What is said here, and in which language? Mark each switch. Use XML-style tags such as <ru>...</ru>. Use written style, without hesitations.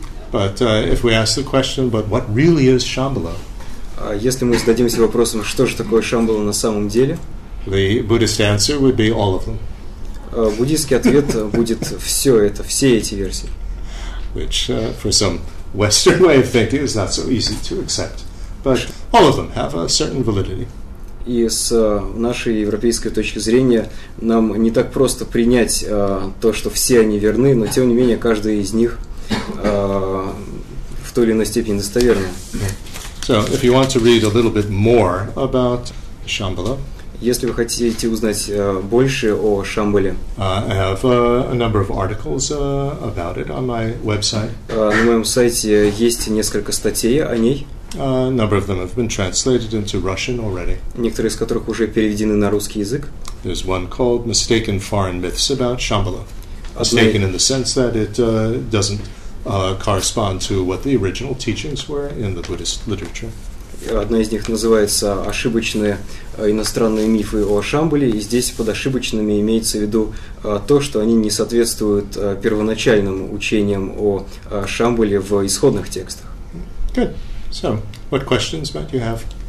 <en>But if we ask the question, but what really is Shambhala?</en> <ru>Если мы зададимся вопросом, что же такое Шамбала на самом деле?</ru> <en>The Buddhist answer would be all of them.</en> <ru>Буддийский ответ будет все это, все эти версии.</ru> <en>Which for some Western way of thinking is not so easy to accept. But all of them have a certain validity.</en> <ru>И с нашей европейской точки зрения нам не так просто принять то, что все они верны, но тем не менее каждый из них в той или иной степени достоверна.</ru> <en>So if you want to read a little bit more about Shambhala,</en> <ru>если вы хотите узнать больше о Шамбале,</ru> <en>I have a number of articles about it on my website.</en> <ru>На моем сайте есть несколько статей о ней.</ru> <en>A number of them have been translated into Russian already.</en> <ru>Некоторые из которых уже переведены на русский язык.</ru> <en>There's one called Mistaken Foreign Myths about Shambhala. Mistaken in the sense that it doesn't correspond to what the original teachings were in the Buddhist literature.</en> <ru>Одна из них называется «Ошибочные иностранные мифы о Шамбале», и здесь под ошибочными имеется в виду то, что они не соответствуют первоначальным учениям о Шамбале в исходных текстах.</ru> <en>Good. So, what questions might you have?</en>